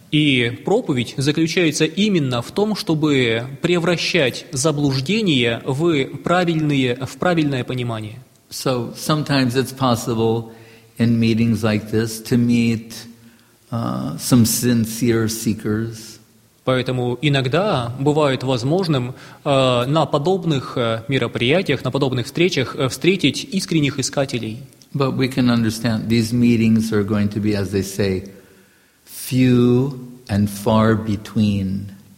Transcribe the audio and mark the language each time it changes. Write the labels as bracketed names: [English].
[Russian] И проповедь заключается именно в том, чтобы превращать заблуждение в правильное понимание. [English] So sometimes it's possible in meetings like this to meet some sincere seekers. [Russian] Поэтому иногда бывает возможным на подобных мероприятиях, на подобных встречах встретить искренних искателей. [English] But we can understand these meetings are going to be, as they say, few and far between.